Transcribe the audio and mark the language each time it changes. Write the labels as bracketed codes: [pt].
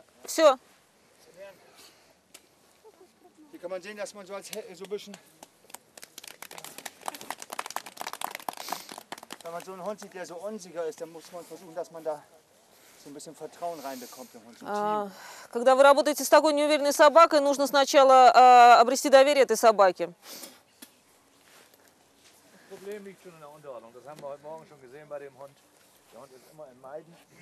[ru] Все. [de] Hier kann man sehen, dass man so, als, so ein bisschen... Wenn man so einen Hund sieht, der so unsicher ist, dann muss man versuchen, dass man da so ein bisschen Vertrauen reinbekommt im Hund. [ru] Когда вы работаете с такой неуверенной собакой, нужно сначала обрести доверие этой собаке. [de] Das Problem liegt schon in der Unterordnung. Das haben wir heute Morgen schon gesehen bei dem Hund. Der Hund ist immer im Meiden.